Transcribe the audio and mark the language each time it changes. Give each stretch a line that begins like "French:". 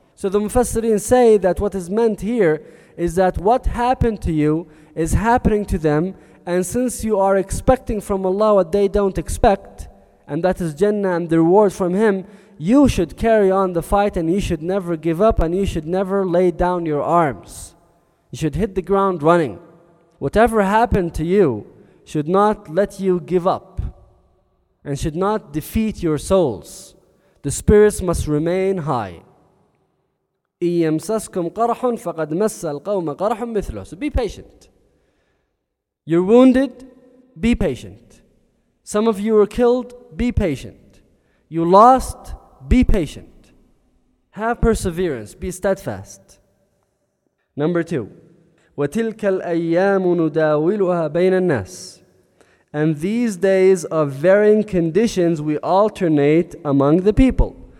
English: So the Mufassirin say that what is meant here is that what happened to you is happening to them, and since you are expecting from Allah what they don't expect, and that is Jannah and the reward from Him, you should carry on the fight and you should never give up and you should never lay down your arms. You should hit the ground running. Whatever happened to you should not let you give up and should not defeat your souls. The spirits must remain high.
Arabic: إِن يَمْسَسْكُمْ قَرْحٌ فَقَدْ مَسَّ الْقَوْمَ قَرْحٌ مِثْلُهُ
English: So be patient. You're wounded, be patient. Some of you were killed, be patient. You lost, be patient. Have perseverance. Be steadfast. Number 2.
Arabic: وَتِلْكَ الْأَيَّامُ نُدَاوِلُهَا بَيْنَ النَّاسِ
English: And these days of varying conditions we alternate among the people.